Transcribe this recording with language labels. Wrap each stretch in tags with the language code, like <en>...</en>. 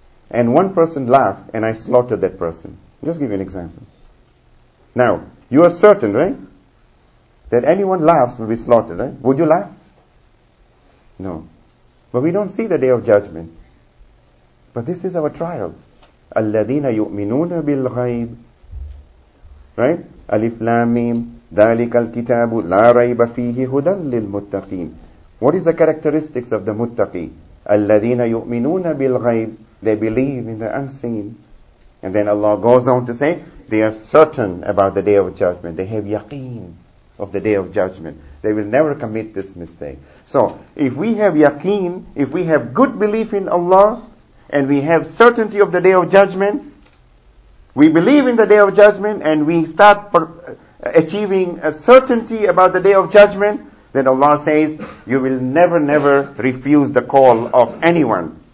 <en>And one person laughed and I slaughtered that person. Just give you an example. Now, you are certain, right? That anyone laughs will be slaughtered, right? Would you laugh? No. But we don't see the day of judgment. But this is our trial.</en> <ar>الَّذِينَ يُؤْمِنُونَ بِالْغَيْبِ</ar> <en>Right?</en> <ar>أَلِفْ لَا مِيمْ ذَلِكَ الْكِتَابُ لَا رَيْبَ فِيهِ هُدًى لِلْمُتَّقِينَ</ar> <en>What is the characteristics of the muttaqi?</en> <ar>الَّذِينَ يُؤْمِنُونَ بِالْغَيْبِ</ar> <en>They believe in the unseen. And then Allah goes on to say, they are certain about the day of judgment. They have yaqeen of the day of judgment. They will never commit this mistake. So, if we have yaqeen, if we have good belief in Allah, and we have certainty of the day of judgment, we believe in the day of judgment, and we start achieving a certainty about the day of judgment, then Allah says, you will never refuse the call of anyone.</en>